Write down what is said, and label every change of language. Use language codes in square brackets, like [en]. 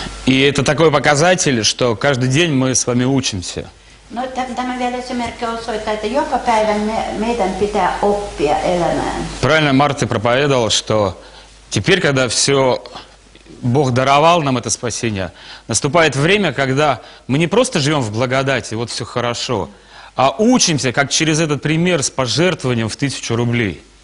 [ru] И это такой показатель, что каждый день мы с вами учимся. [fi] No, tämä vielä esimerkki osoittaa, että joka päivä meidän pitää oppia elämään. [ru] Правильно Марти проповедовал, что теперь, когда все... Бог даровал нам это спасение. Наступает время, когда мы не просто живем в благодати, вот все хорошо, а учимся, как через этот пример с пожертвованием в 1000 рублей.